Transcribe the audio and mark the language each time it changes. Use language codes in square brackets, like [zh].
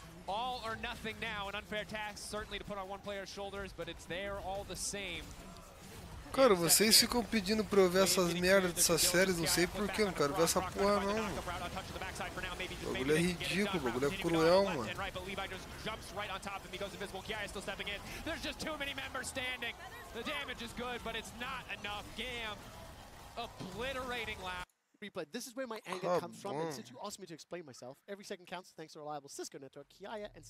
[en] All or nothing now, an unfair task, certainly to put on one player's shoulders, but it's there all the same. [pt] Cara, vocês ficam pedindo pra eu ver essas merdas dessas séries, não sei porquê, não quero ver essa porra não, mano. O bagulho é ridículo, o bagulho é cruel, mano. [en] Replay. This is where my anger comes from, and since you asked me to explain myself, every second counts thanks to reliable Cisco network, Kiaya and Sia.